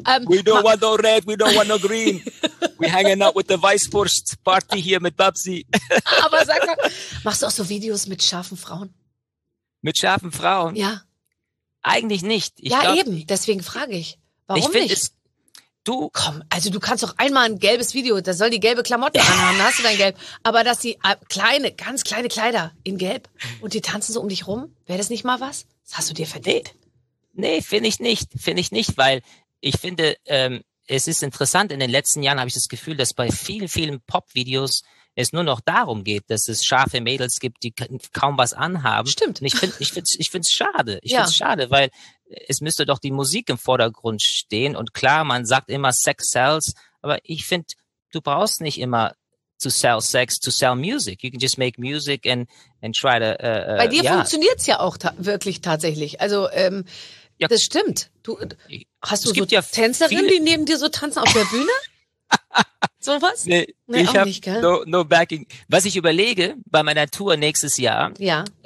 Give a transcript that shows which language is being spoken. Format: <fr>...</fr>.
<en>We don't want no red, we don't want no green. We hanging out with the Weißwurst Party here mit Babsi.</en> <de>Aber sag mal, machst du auch so Videos mit scharfen Frauen? Mit scharfen Frauen? Ja. Eigentlich nicht. Deswegen frage ich. Warum ich nicht? Du kannst doch einmal ein gelbes Video, da soll die gelbe Klamotte anhaben, da hast du dein Gelb. Aber dass die kleine, ganz kleine Kleider in Gelb und die tanzen so um dich rum, wäre das nicht mal was? Das hast du dir verdient? Nee, finde ich nicht, weil ich finde, es ist interessant, in den letzten Jahren habe ich das Gefühl, dass bei vielen, vielen Pop-Videos es nur noch darum geht, dass es scharfe Mädels gibt, die kaum was anhaben. Stimmt. Und ich finde es schade, weil es müsste doch die Musik im Vordergrund stehen. Und klar, man sagt immer Sex sells, aber ich finde, du brauchst nicht immer</de> <en>to sell sex, to sell music. You can just make music and try to...</en> <de>Bei dir funktioniert es ja auch wirklich tatsächlich. Also, ja, das stimmt. Hast du so Tänzerinnen, die neben dir so tanzen auf der Bühne? Sowas? Nee, ich auch nicht, gell?</de> <en>No backing.</en> <de>Was ich überlege bei meiner Tour nächstes Jahr, ja.</de>